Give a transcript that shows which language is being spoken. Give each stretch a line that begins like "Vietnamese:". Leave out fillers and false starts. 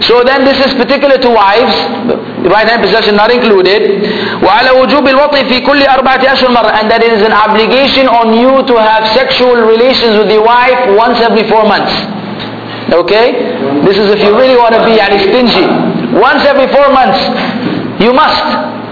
English: So then this is particular to wives, right hand possession not included.
Arabic: وعلى وجوب الوطء في كل أربعة أشهر مرة.
English: And that it is an obligation on you to have sexual relations with your wife once every 4 months. Okay, this is if you really want to be yani stingy. Once every 4 months you must.